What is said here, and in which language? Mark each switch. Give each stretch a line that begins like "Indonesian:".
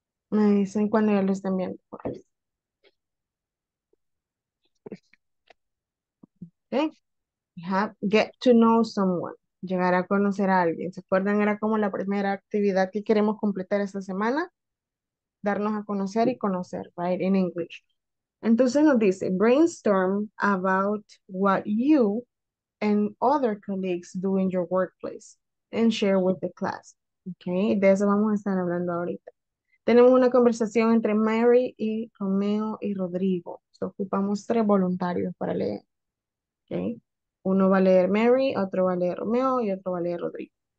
Spanish: Me dicen cuando ya lo estén viendo. Okay.
English: We have get to know someone.
Spanish: Llegar a conocer a alguien. ¿Se acuerdan? Era como la primera actividad que queremos completar esta semana. Darnos a conocer y conocer, right?
English: In English.
Spanish: Entonces nos dice,
English: brainstorm about what you and other colleagues do in your workplace and share with the class.
Spanish: Okay, de eso vamos a estar hablando ahorita. Tenemos una conversación entre Mary y Romeo y Rodrigo. So, ocupamos tres voluntarios para leer. Okay. Uno va a leer Mary, otro va a leer Romeo y otro va a leer Rodrigo.